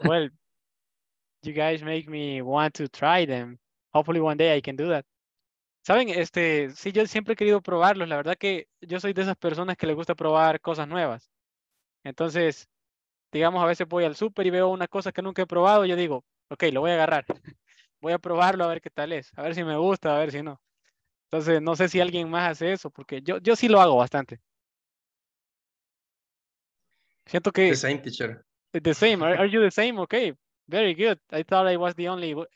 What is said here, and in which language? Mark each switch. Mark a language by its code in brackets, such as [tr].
[en] Well, you guys make me want to try them. Hopefully one day I can do that. [es] ¿Saben? Sí, yo siempre he querido probarlos. La verdad que yo soy de esas personas que le gusta probar cosas nuevas. Entonces, digamos, a veces voy al súper y veo una cosa que nunca he probado y yo digo, ok, lo voy a agarrar. Voy a probarlo a ver qué tal es. A ver si me gusta, a ver si no. Entonces, no sé si alguien más hace eso, porque yo sí lo hago bastante. Siento que... [en] The same, teacher. The same. Are you the same? Okay. Very good. I thought I was the only